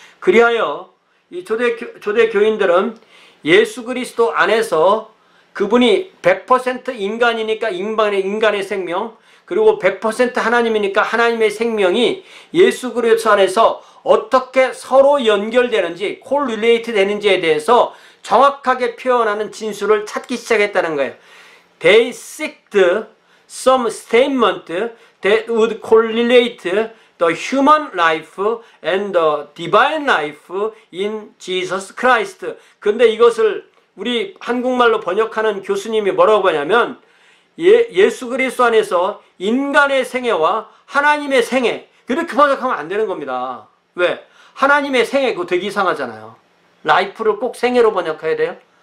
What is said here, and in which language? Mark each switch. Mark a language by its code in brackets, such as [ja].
[ko] 그리하여 이 초대교인들은 예수 그리스도 안에서 그분이 100% 인간이니까 인간의 생명, 그리고 100% 하나님이니까 하나님의 생명이 예수 그리스도 안에서 어떻게 서로 연결되는지, 콜릴레이트 되는지에 대해서 정확하게 표현하는 진술을 찾기 시작했다는 거예요. [en] They seeked some statement that would correlate the human life and the divine life in Jesus Christ. [ko] 근데 이것을 우리 한국말로 번역하는 교수님이 뭐라고 하냐면 예수 그리스도 안에서 인간의 생애와 하나님의 생애, 그렇게 번역하면 안 되는 겁니다. 왜? 하나님의 생애, 그거 되게 이상하잖아요. 라이프를 꼭 생애로 번역해야 돼요?